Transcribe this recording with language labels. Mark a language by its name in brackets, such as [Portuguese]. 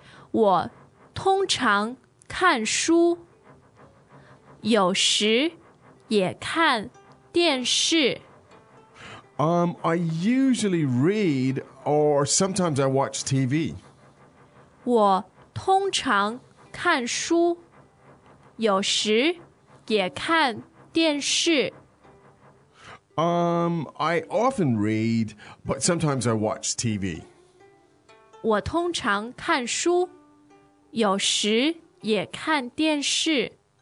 [Chinese] 我通常看书。有时也看电视。 [English] I usually read or sometimes I watch TV. [Chinese] 我通常看书。有时也看电视。 [English] I often read, but sometimes I watch TV. [Chinese] 我通常看书。有时也看电视。